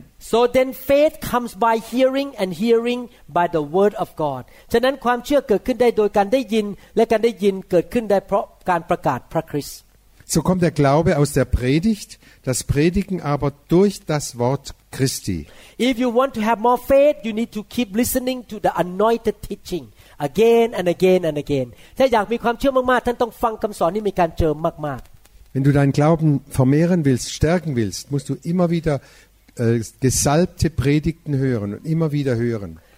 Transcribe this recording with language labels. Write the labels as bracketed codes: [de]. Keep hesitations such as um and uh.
[en] so then faith comes by hearing and hearing by the word of God [th] ฉะนั้นความเชื่อเกิดขึ้นได้โดยการได้ยินและการได้ยินเกิดขึ้นได้เพราะ การประกาศพระคริสต์ [de] so kommt der Glaube aus der Predigt das Predigen aber durch das Wort Christi [en] if you want to have more faith you need to keep listening to the anointed teaching again and again [th] and again ถ้าอยากมีความเชื่อมากๆท่านต้องฟังคำสอนที่มีการเจอมาก ๆ [de] Wenn du deinen Glauben vermehren willst, stärken willst, musst du immer wieder Uh, gesalbte Predigten hören und immer wieder hören.